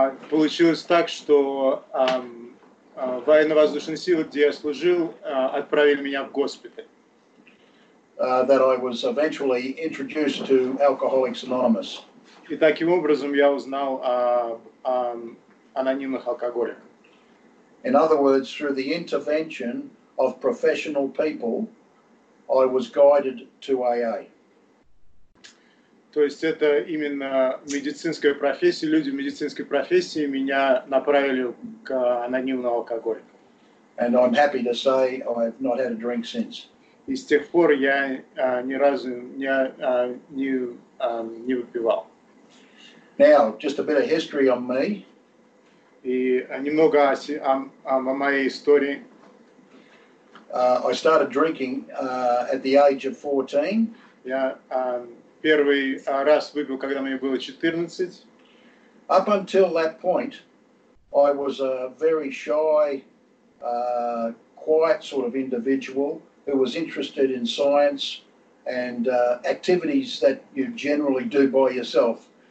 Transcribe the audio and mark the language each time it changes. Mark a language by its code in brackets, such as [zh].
[ru] Получилось так, что военно-воздушные силы, где я служил, отправили меня в госпиталь. [en] That I was eventually introduced to Alcoholics Anonymous. [ru] И таким образом я узнал о анонимных алкоголиках. [en] In other words, through the intervention of professional people, I was guided to AA. [ru] То есть это именно медицинская профессия, люди в медицинской профессии меня направили к анонимному алкоголику. [en] And I'm happy to say I've not had a drink since. [ru] И с тех пор я ни разу не выпивал. [en] Now, just a bit of history on me. [ru] И немного о моей истории. [en] I started drinking at the age of 14. [ru] Я первый раз выпил, когда мне было 14. [en] Up until that point, I was a very shy, quiet sort of individual who was interested in science and activities that you generally do by yourself.